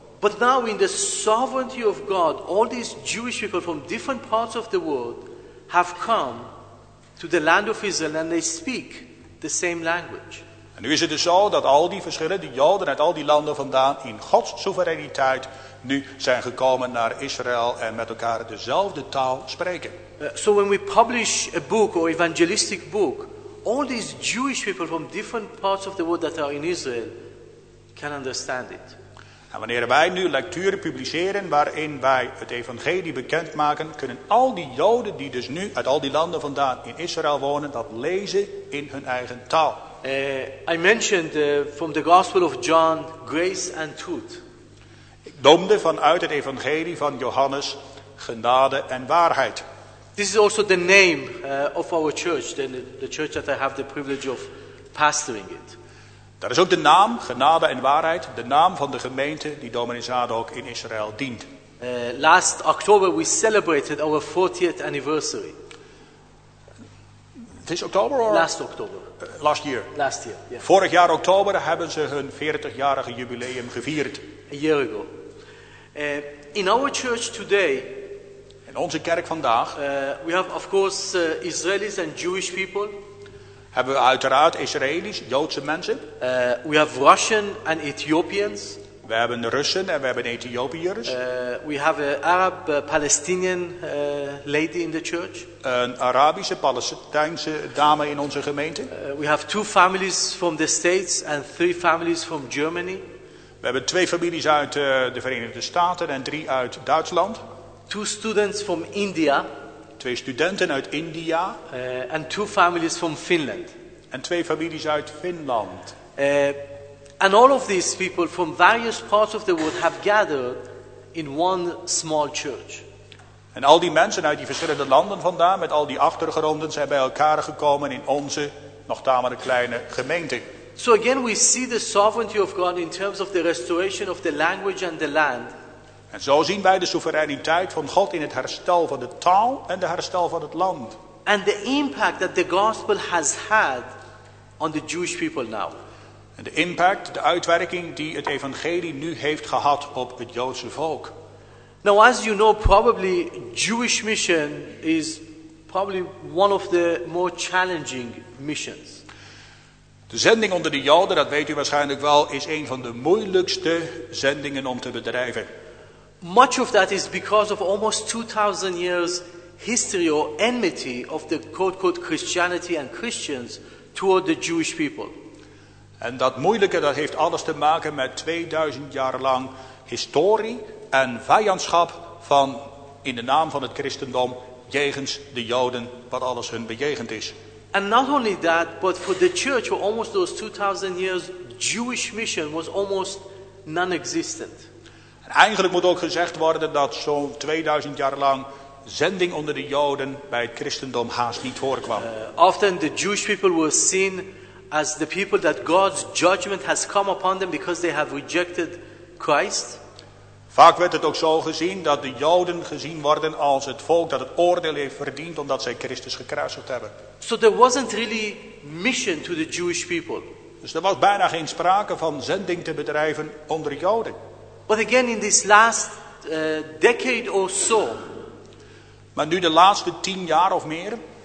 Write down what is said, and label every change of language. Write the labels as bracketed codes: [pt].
[en] But now in the sovereignty of God, all these Jewish people from different parts of the world have come to the land of Israel and they speak the same language. [nl] En nu is het dus zo dat al die verschillende Joden uit al die landen vandaan in Gods soevereiniteit nu zijn gekomen naar Israël en met elkaar dezelfde taal spreken. [en] So when we publish a book or evangelistic book, all these Jewish people from different parts of the world that are in Israel can understand it. [nl] En wanneer wij nu lecturen publiceren waarin wij het evangelie bekendmaken, kunnen al die Joden die dus nu uit al die landen vandaan in Israël wonen, dat lezen in hun eigen taal. [en] I mentioned from the Gospel of John, grace and truth. [nl] Ik noemde vanuit het evangelie van Johannes genade en waarheid. [en] This is also the name of our church, the church that I have the privilege of pastoring it. [nl] Dat is ook de naam, genade en waarheid, de naam van de gemeente die Dominee Zadok in Israël dient. [en] Last October we celebrated our 40th anniversary. This October or? Last October. Last year. Last year, yeah. [nl] Vorig jaar oktober hebben ze hun 40-jarige jubileum gevierd. [en] A year ago. In our church today. [nl] In onze kerk vandaag. [en] We have of course Israelis and Jewish people. [nl] Hebben we uiteraard Israëli's, Joodse mensen. [en] We have Russian and Ethiopians. [nl] We hebben Russen en we hebben Ethiopiërs. [en] We have an Arab-Palestinian lady in the church. [nl] Een Arabische Palestijnse dame in onze gemeente. [en] We have two families from the States and 3 families from Germany. [nl] We hebben 2 families uit de Verenigde Staten en 3 uit Duitsland. [en] 2 students from India. [nl] 2 studenten uit India. [en] And 2 families from Finland. [nl] En 2 families uit Finland. [en] And all of these people from various parts of the world have gathered in one small church. [nl] En al die mensen uit die verschillende landen vandaan met al die achtergronden zijn bij elkaar gekomen in onze nog tamelijk kleine gemeente. [en] So again we see the sovereignty of God in terms of the restoration of the language and the land. [nl] En zo zien wij de soevereiniteit van God in het herstel van de taal en de herstel van het land. [en] And the impact that the gospel has had on the Jewish people now. [nl] En de impact, de uitwerking die het evangelie nu heeft gehad op het Joodse volk. [en] Now, as you know, probably Jewish mission is probably one of the more challenging missions. [nl] De zending onder de Joden, dat weet u waarschijnlijk wel, is een van de moeilijkste zendingen om te bedrijven. [en] Much of that is because of almost 2000 years history or enmity of the quote-unquote Christianity and Christians toward the Jewish people. [nl] En dat moeilijke, dat heeft alles te maken met 2000 jaar lang historie en vijandschap van, in de naam van het christendom, jegens de Joden, wat alles hun bejegend is. [en] And not only that, but for the church, for almost those 2000 years, Jewish mission was almost non-existent. [nl] En eigenlijk moet ook gezegd worden dat zo'n 2000 jaar lang zending onder de Joden bij het christendom haast niet voorkwam. [en] Often the Jewish people were seen as the people that God's judgment has come upon them because they have rejected Christ. [nl] Vaak werd het ook zo gezien dat de Joden gezien worden als het volk dat het oordeel heeft verdiend omdat zij Christus gekruisigd hebben. [en] So there wasn't really mission to the Jewish people. [nl] Dus er was bijna geen sprake van zending te bedrijven onder Joden. [en] But again in this last decade or so. Maar nu de laatste 10 jaar of meer.